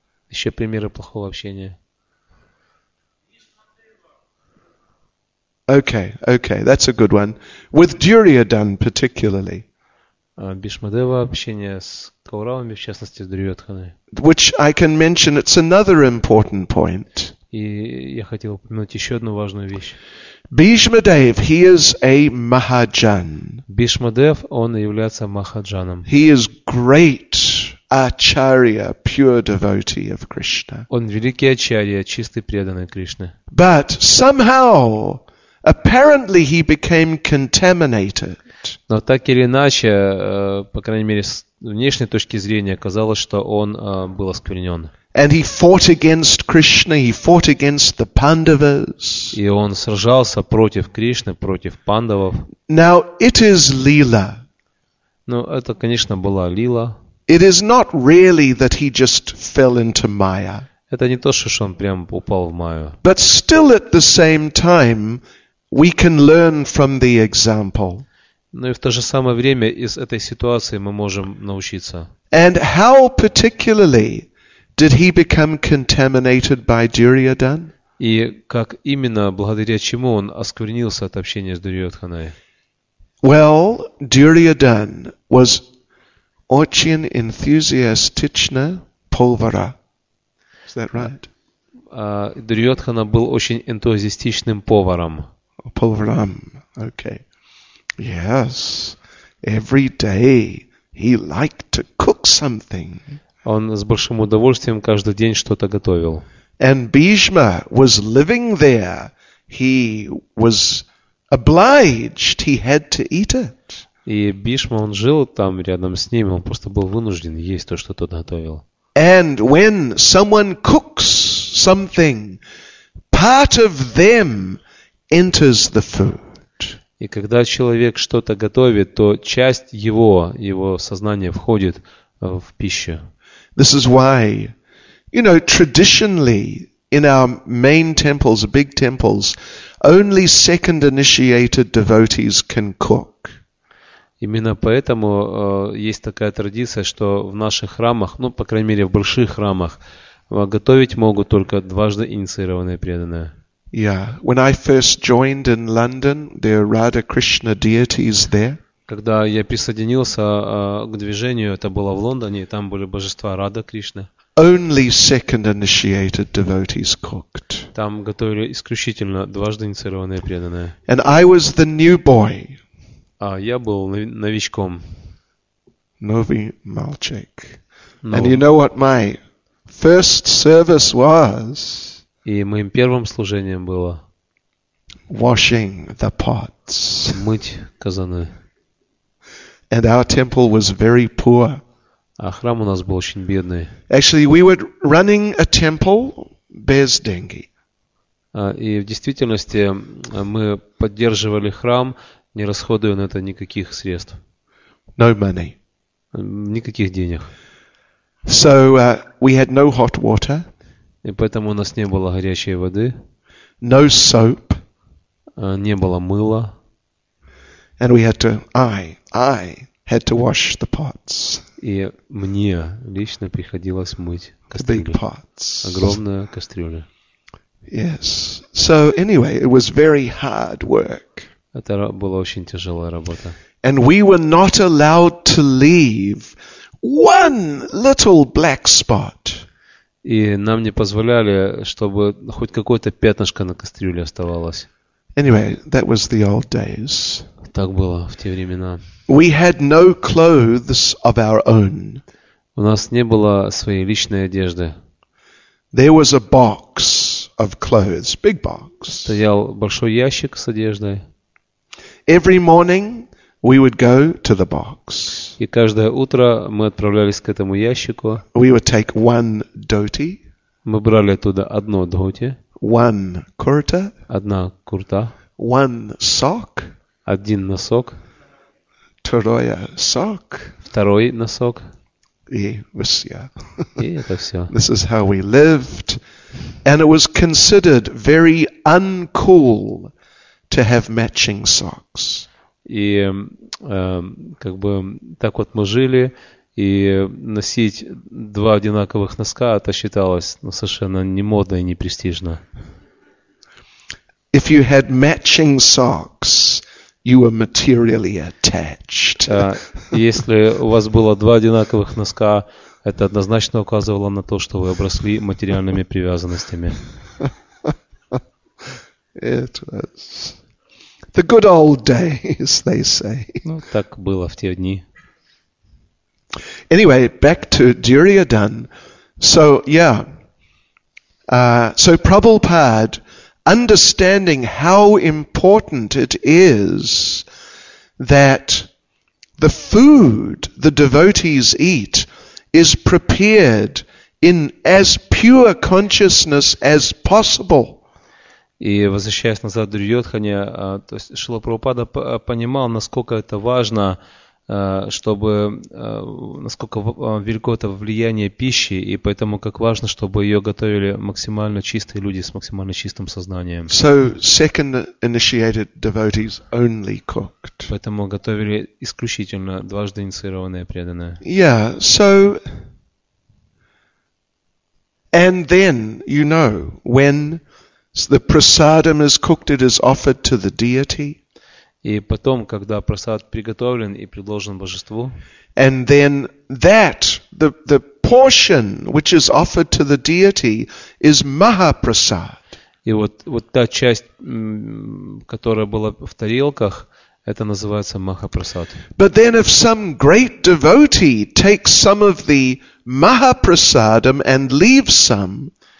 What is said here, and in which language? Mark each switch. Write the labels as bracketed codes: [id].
[ru] еще примеры плохого общения. [en] Okay, that's a good one. With Duryodhan particularly. [ru] Бишмадева общение с Кауравами, в частности, с Дурьотханой. [en] Which I can mention, it's another important point. [ru] И я хотел упомянуть еще одну важную вещь. [en] Бишмадев, he is a Mahajan. [ru] Бишмадев, он является Махаджаном. [en] He is great Acharya, pure devotee of Krishna. [ru] Он великий Ачарья, чистый преданный Кришне. [en] But somehow, apparently he became contaminated. [ru] Но так или иначе, по крайней мере, с внешней точки зрения, казалось, что он был осквернен. [en] And he fought against Krishna, he fought against the Pandavas. [ru] И он сражался против Кришны, против пандавов. [en] Now it is Leela. [ru] Ну, это, конечно, была Лила. [en] It is not really that he just fell into Maya. [ru] Это не то, что он прям упал в Майю. [en] But still at the same time, we can learn from the example. [ru] Но и в то же самое время из этой ситуации мы можем научиться. [en] And how particularly did he become contaminated by Duryodhan? [ru] И как именно, благодаря чему он осквернился от общения с Дурьотханой? [en] Well, Duryodhan was [ru] очень энтузиастично полвара. [en] Is that right? [ru] Дурьотхана был очень энтузиастичным поваром. [en] Polvaram, okay. Yes, every day he liked to cook something. [ru] Он с большим удовольствием каждый день что-то готовил. [en] And Bhishma was living there. He was obliged. He had to eat it. [ru] И Бишма, он жил там рядом с ним, он просто был вынужден есть то, что тот готовил. [en] And when someone cooks something, part of them enters the food. [ru] И когда человек что-то готовит, то часть его сознания входит в пищу. [en] This is why, you know, traditionally in our main temples, big temples, only second initiated devotees can cook. [ru] Именно поэтому есть такая традиция, что в наших храмах, ну, по крайней мере, в больших храмах, готовить могут только дважды инициированные преданные. [en] Yeah, when I first joined in London, there are Radha Krishna deities there. [ru] Когда я присоединился к движению, это было в Лондоне, там были божества Радха Кришны. [en] Only second initiated devotees cooked. [ru] Там готовили исключительно дважды инициированные преданные. [en] And I was the new boy. [ru] А я был новичком. Новый мальчик. [en] And you know what my first service was? [ru] И моим первым служением было [en] washing the pots. [ru] Мыть казаны. [en] And our temple was very poor. [ru] А храм у нас был очень бедный. [en] Actually, we were running a temple [ru] без деньги. И в действительности мы поддерживали храм, не расходуя на это никаких средств. [en] No money. [ru] Никаких денег. [en] So we had no hot water. [ru] И поэтому у нас не было горячей воды. [en] No soap. [ru] Не было мыла. [en] And we had to I had to wash the pots. [ru] И мне лично приходилось мыть кастрюлю. [en] The big pots. [ru] Огромная кастрюля. [en] Yes. So anyway, it was very hard work. [ru] Это была очень тяжелая работа. [en] And we were not allowed to leave one little black spot. [ru] И нам не позволяли, чтобы хоть какое-то пятнышко на кастрюле оставалось. [en] Anyway, that was the old days. [ru] Так было в те времена. [en] We had no clothes of our own. [ru] У нас не было своей личной одежды. [en] There was a box of clothes, big box. [ru] Стоял большой ящик с одеждой. [en] Every morning we would go to the box. [ru] И каждое утро мы отправлялись к этому ящику. [en] We would take one dhoti. [ru] Мы брали оттуда одно дхоти. [en] One kurta. [ru] Одна курта. [en] One sock. [ru] Один носок. Второе [en] sock. [ru] Второй носок. И это все. [en] This is how we lived, and it was considered very uncool to have matching socks. [ru] И как бы так вот мы жили, и носить два одинаковых носка это считалось совершенно не модно и не престижно. [en] If you had matching socks, you were materially attached. [ru] Если у вас было два одинаковых носка, это однозначно указывало на то, что вы обросли материальными привязанностями. [en] It was the good old days, they say. [ru] Ну, так было в те дни. [en] Anyway, back to Duryodhan. So, yeah. So Prabhupada, understanding how important it is that the food the devotees eat is prepared in as pure consciousness as possible. [ru] И возвращаясь назад в Дурьотхане, то есть Шрила Прабхупада понимал, насколько это важно, чтобы насколько велико это влияние пищи, и поэтому как важно, чтобы ее готовили максимально чистые люди с максимально чистым сознанием. [en] So second initiated devotees only cooked. [ru] Поэтому готовили исключительно дважды инициированные преданные. [en] Yeah, so and then, you know, when the prasadam is cooked, it is offered to the deity. [ru] И потом, когда прасад приготовлен и предложен божеству, [en] and then that the portion which is offered to the deity is mahaprasad. [ru] И вот та часть, которая была в тарелках, это называется махапрасад. [en] But then if some great devotee takes some of the mahaprasadam and leaves some,